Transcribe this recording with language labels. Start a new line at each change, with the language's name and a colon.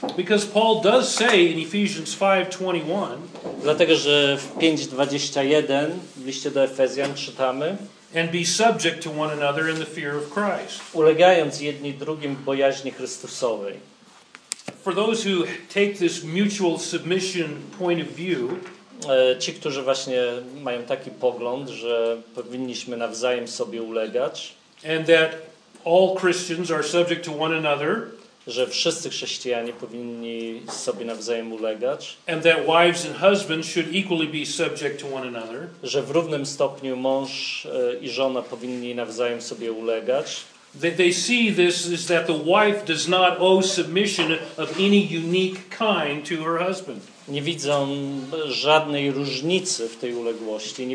English: Because Paul does say in Ephesians 5:21,
Polish: dlatego że w 5:21 w liście do Efezjan czytamy:
English: and be subject to one another in the fear of Christ.
Polish: Ulegając jedni drugim w bojaźni Chrystusowej.
English: For those who take this mutual submission point of view,
Polish: ci, którzy właśnie mają taki pogląd, że powinniśmy nawzajem sobie ulegać,
English: and that all Christians are subject to one another,
Polish: że wszyscy chrześcijanie powinni sobie nawzajem ulegać,
English: and that wives and husbands should equally be subject to one another,
Polish: że w równym stopniu mąż i żona powinni nawzajem sobie ulegać,
English: they see this is that the wife does not owe submission of any unique kind to her husband.
Polish: Nie widzą żadnej różnicy w tej uległości.